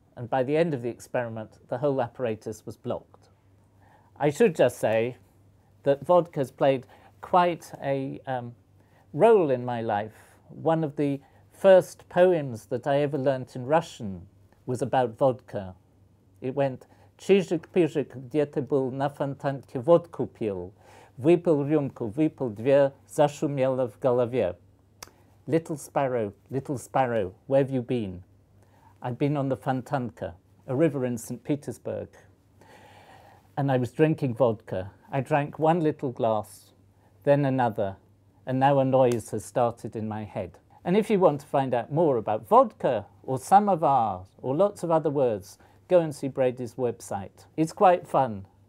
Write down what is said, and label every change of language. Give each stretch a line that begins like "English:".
English: And by the end of the experiment, the whole apparatus was blocked. I should just say that vodka has played quite a role in my life. One of the first poems that I ever learnt in Russian was about vodka. It went,
Russian: Чижик пижик, где ты был на фонтанке водку пил, выпил рюмку, выпил две, зашумело в голове.
English: Little sparrow, where have you been? I've been on the Fontanka, a river in St. Petersburg, and I was drinking vodka. I drank one little glass, then another, and now a noise has started in my head. And if you want to find out more about vodka, or samovar, or lots of other words, go and see Brady's website. It's quite fun.